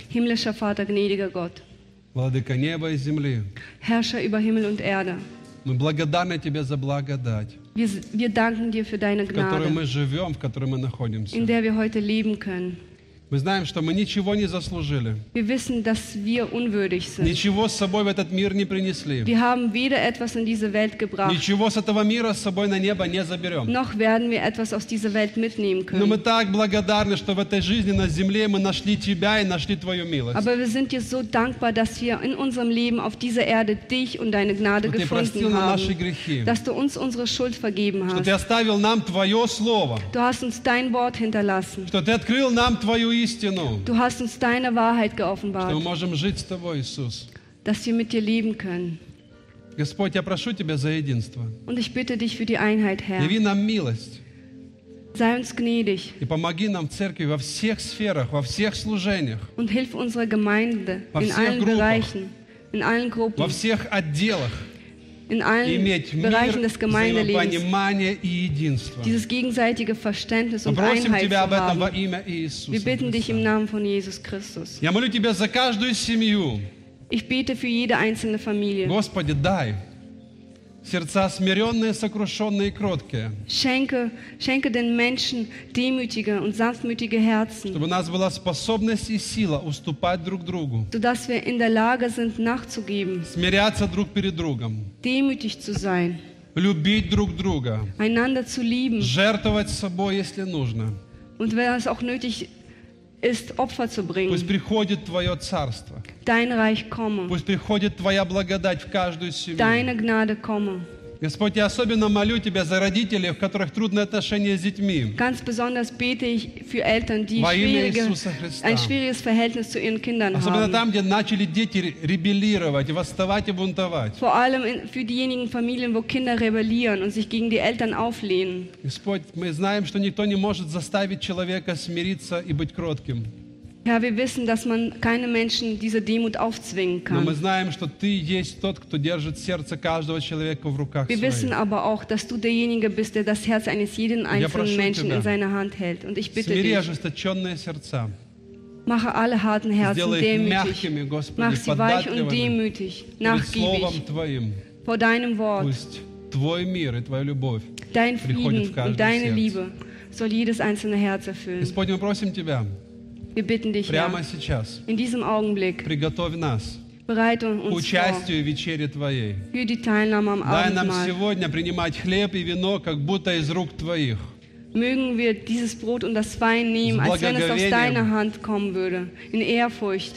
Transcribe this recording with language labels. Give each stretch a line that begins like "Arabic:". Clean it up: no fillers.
German: Himmlischer Vater, gnädiger Gott.
Russian: Владыка неба и земли.
German: Herrscher über Himmel und Erde.
Russian: Мы благодарны Тебе за благодать.
German: Wir danken dir für deine Gnade,
Russian: в которой мы находимся.
German: In der wir heute leben können.
Russian: Мы знаем, что мы ничего не заслужили.
German: Wir wissen, dass wir unwürdig sind.
Russian: Ничего с собой в этот мир не принесли.
German: Wir haben weder etwas in diese Welt gebracht.
Russian: Ничего с этого мира с собой на небо не заберем.
German: Noch werden wir etwas aus dieser Welt mitnehmen können.
Russian: Но мы так благодарны, что в этой жизни на земле мы нашли тебя и нашли твою милость.
German: Aber wir sind dir so dankbar, dass wir in unserem Leben auf dieser Erde dich und deine Gnade
Russian: что
German: gefunden
Russian: ты простил
German: haben.
Russian: Наши грехи.
German: Dass du uns unsere Schuld vergeben
Russian: что
German: hast.
Russian: Ты оставил нам твое слово.
German: Du hast uns dein Wort hinterlassen.
Russian: Что ты открыл нам твою истину,
German: du hast uns deine Wahrheit geoffenbart,
Russian: что мы можем жить с тобой, Иисус,
German: dass wir mit dir leben können.
Russian: Господь, я прошу тебя за единство.
German: Und ich bitte dich für die Einheit, Herr.
Russian: Яви нам милость.
German: Sei uns gnädig.
Russian: И помоги нам в церкви во всех сферах, во всех служениях.
German: Und hilf unserer Gemeinde in allen Bereichen, in allen Gruppen,
Russian: во всех отделах.
German: In allen Bereichen des Gemeindelebens dieses gegenseitige Verständnis und Einheit zu haben. Wir bitten dich im Namen von Jesus Christus. Ich bete für jede einzelne Familie.
Russian: Господи, дай сердца смиренные, сокрушенные и кроткие.
German: Schenke den Menschen demütige und sanftmütige Herzen,
Russian: чтобы у нас была способность и сила уступать друг другу,
German: sodass wir in der Lage sind, nachzugeben,
Russian: смиряться друг перед другом,
German: demütig zu sein,
Russian: любить друг друга,
German: einander zu lieben,
Russian: жертвовать собой, если нужно,
German: und wenn es auch nötig ist, Opfer zu bringen.
Russian: Пусть приходит твое царство.
German: Dein Reich komme.
Russian: Пусть приходит твоя благодать в каждую семью.
German: Deine Gnade komme.
Russian: Господь, я особенно молю тебя за родителей, у которых трудные отношения с детьми.
German: Ganz besonders bete ich für Eltern, die ein schwieriges Verhältnis zu ihren Kindern haben.
Russian: Особенно там, где начали дети ребелировать, восставать и бунтовать.
German: Vor allem für diejenigen Familien, wo Kinder rebellieren und sich gegen die Eltern auflehnen.
Russian: Господь, мы знаем, что никто не может заставить человека смириться и быть кротким.
German: Ja, wir wissen, dass man keinem Menschen diese Demut aufzwingen kann.
Russian: Мы знаем, что ты есть тот, кто держит сердце каждого человека в руках своих.
German: Wir wissen aber auch, dass du derjenige бist, der das Herz eines jeden einzelnen Menschen in seiner Hand hält. Und ich bitte dich,
Russian: смири ожесточенные сердца.
German: Mache alle harten Herzen demütig. Mach sie weich und demütig, nachgiebig. Vor deinem Wort.
Russian: Пусть твой мир и твоя любовь.
German: Dein Frieden und deine Liebe soll jedes einzelne Herz erfüllen.
Russian: Господи, мы просим тебя.
German: Wir bitten dich,
Russian: прямо
German: Herr,
Russian: сейчас,
German: in diesem Augenblick,
Russian: приготовь нас
German: bereite uns
Russian: вечере твоей,
German: für die Teilnahme am Abendmahl.
Russian: Дай нам сегодня принимать хлеб и вино, как будто из рук твоих.
German: Mögen wir dieses Brot und das Wein nehmen, als wenn es aus deiner Hand kommen würde, in Ehrfurcht,